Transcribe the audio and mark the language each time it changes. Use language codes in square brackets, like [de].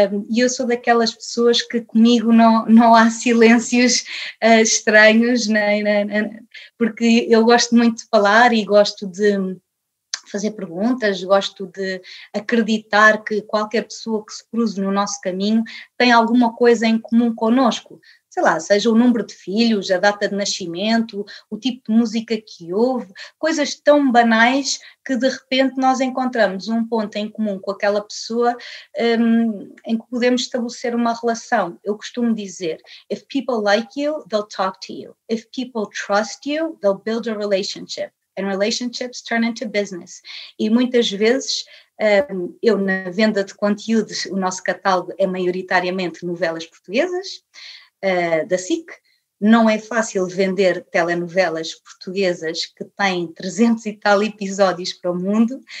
[pt] E eu sou daquelas pessoas que comigo não há silêncios estranhos, nem, porque eu gosto muito de falar e gosto de fazer perguntas, gosto de acreditar que qualquer pessoa que se cruze no nosso caminho tem alguma coisa em comum connosco. Sei lá, seja o número de filhos, a data de nascimento, o tipo de música que ouve, coisas tão banais que de repente nós encontramos um ponto em comum com aquela pessoa em que podemos estabelecer uma relação. Eu costumo dizer, [en] if people like you, they'll talk to you. If people trust you, they'll build a relationship. And relationships turn into business. [pt] E muitas vezes, eu na venda de conteúdos, o nosso catálogo é maioritariamente novelas portuguesas, da SIC. Não é fácil vender telenovelas portuguesas que têm 300 e tal episódios para o mundo.